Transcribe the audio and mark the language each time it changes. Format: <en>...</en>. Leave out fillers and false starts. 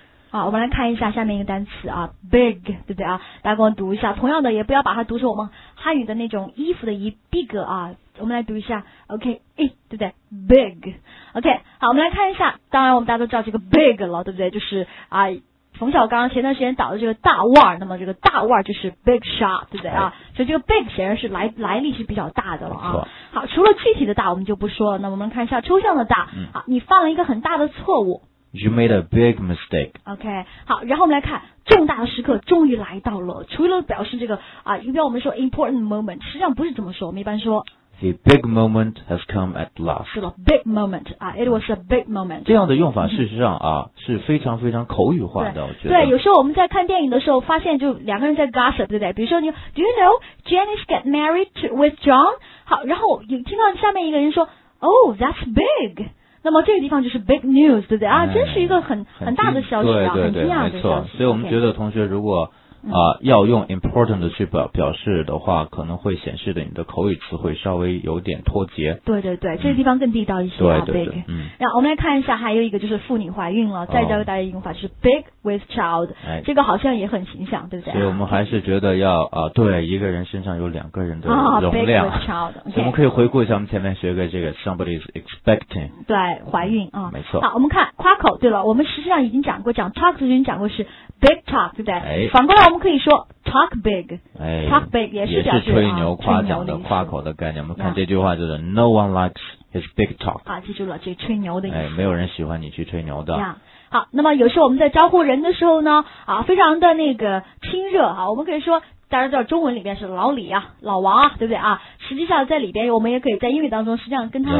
<zh>好，我们来看一下下面一个单词啊 big, 对不对啊，大家给我读一下，同样的也不要把它读成我们汉语的那种衣服的一 big 啊，我们来读一下 OK, 诶对不对 big, OK, 好，我们来看一下，当然我们大家都知道这个 big 了，对不对，就是啊冯小刚前段时间倒的这个大腕，那么这个大腕就是 big shot, 对不对啊，所以这个 big 显然是来历是比较大的了啊。好，除了具体的大我们就不说了，那我们看一下抽象的大、好，你犯了一个很大的错误。</zh> <en>You made a big mistake.</en> <zh>OK, 好，然后我们来看重大的时刻终于来到了，除了表示这个啊，一般我们说</zh> <en>important moment,</en> <zh>实际上不是这么说，我们一般说</zh> <en>The big moment has come at last.</en> <zh>是的</zh> <en>，big moment 啊、，it was a big moment.</en> <zh>这样的用法事实上啊、是非常非常口语化的，我觉得。对，有时候我们在看电影的时候，发现就两个人在 gossip, 对不对？比如说你</zh> <en>，Do you know Jenny's get married with John?</en> <zh>好，然后有听到下面一个人说</zh> <en>，Oh, that's big.</en> <zh>那么这个地方就是</zh> <en>big news,</en> <zh>对不对啊、真是一个很大的消息啊，对对对，很惊讶的消息。没错，所以我们觉得同学如果。要用 important 去表示的话，可能会显示的你的口语词汇稍微有点脱节。对对对，这个地方更地道一些、对对对</zh> <en>big、嗯。</en> <zh>然后我们来看一下，还有一个就是妇女怀孕了，再教给大家一个用法是</zh> <en>big with child、</en> <zh>这个好像也很形象，对不对？所以我们还是觉得要对一个人身上有两个人的容量。</zh> <en>big with child、okay。</en> <zh>我们可以回顾一下我们前面学过这个</zh> <en>somebody is expecting。</en> <zh>对，怀孕啊、没错。好，我们看夸口。对了，我们实际上已经讲过，讲 talk 已经讲过是</zh> <en>big talk，</en> <zh>对不对？哎、反过来。</zh> <en>我们可以说 talk big、talk big</en> <zh>也是, 表示也是吹牛夸奖的夸口的概念，我们看这句话就是</zh> <en>no one likes his big talk、</en> <zh>记住了这吹牛的意思、没有人喜欢你去吹牛的、好，那么有时候我们在招呼人的时候呢啊，非常的那个亲热啊，我们可以说大家知道中文里面是老李啊老王啊，对不对啊，实际上在里边我们也可以在英语当中实际上跟他</zh>